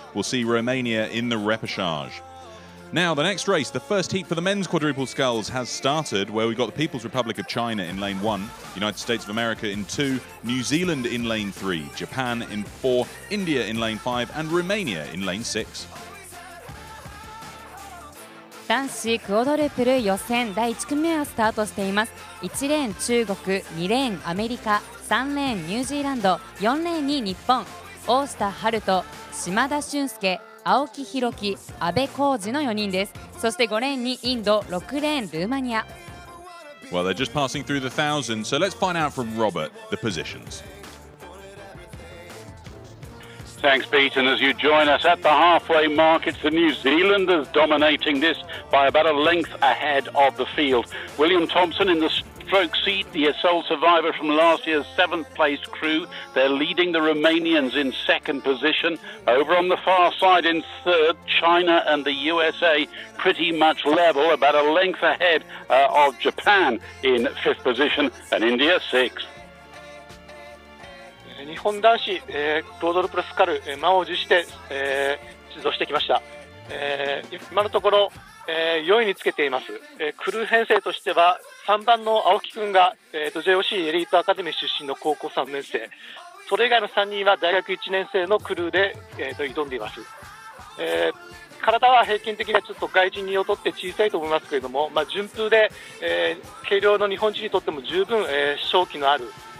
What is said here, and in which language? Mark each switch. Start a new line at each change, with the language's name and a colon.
English: We'll see Romania in the repechage. Now the next race, the first heat for the men's quadruple sculls has started where we've got the People's Republic of China in lane one, United States of America in two, New Zealand in lane three, Japan in four, India in lane five and Romania in lane six.
Japanese: 男子クォドルプル予選第1組目はスタートしています1レーン中国2レーンアメリカ3レーンニュージーランド4レーンに日本大下春人島田俊介青木宏樹阿部浩二の4人ですそして5レーンにインド6レーンルーマニア
English: Well they're just passing through the thousand so let's find out from Robert the positions Thanks, Pete. And as you join us at the halfway mark, it's the New Zealanders dominating this by about a length ahead of the field. William Thompson in the stroke seat, the sole survivor from last year's seventh place crew. They're leading the Romanians in second position. Over on the far side in third, China and the USA pretty much level, about a length ahead of Japan in fifth position and India sixth.
Japanese: 日本男子、クォドルプルスカル、満を持して、出場してきました、今のところ、4位につけています、クルー編成としては3番の青木くんが、JOC エリートアカデミー出身の高校3年生それ以外の3人は大学1年生のクルーで、挑んでいます、体は平均的にはちょっと外人に劣って小さいと思いますけれども、まあ、順風で、軽量の日本人にとっても十分、勝機のある